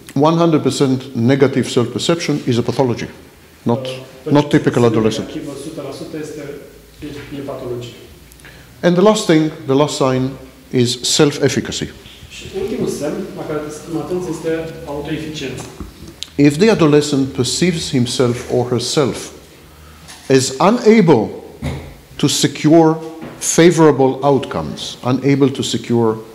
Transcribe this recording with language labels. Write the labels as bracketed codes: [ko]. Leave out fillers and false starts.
[en] 100% negative self-perception is a pathology, not typical adolescent. [ro] Percepția negativă 100% este patologie. [en] And the last sign is self-efficacy. [ro] Ultimul semn la care trebuie să fim atenți este autoeficiența. [en] If the adolescent perceives himself or herself as unable to secure favorable outcomes, unable to secure...